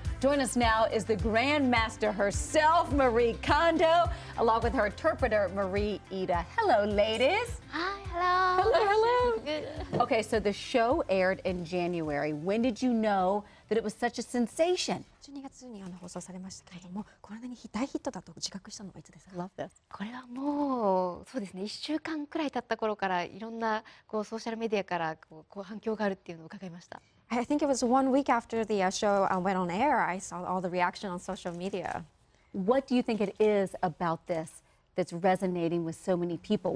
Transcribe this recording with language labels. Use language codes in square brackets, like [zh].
[en] Join us now is the grandmaster herself, Marie Kondo, along with her interpreter, Marie Ida. Hello, ladies. Hi, hello. Hello, hello. Okay, so the show aired in January. When did you know that it was such a sensation? [ja] 12月に放送されましたけれども、これなりに大ヒットだと自覚したのはいつですか? [en] Love this. [ja] これはもう、そうですね、1週間くらい経った頃からいろんなこうソーシャルメディアからこう反響があるっていうのを伺いました。 [en] I think it was 1 week after the show went on air, I saw all the reaction on social media. What do you think it is about this that's resonating with so many people?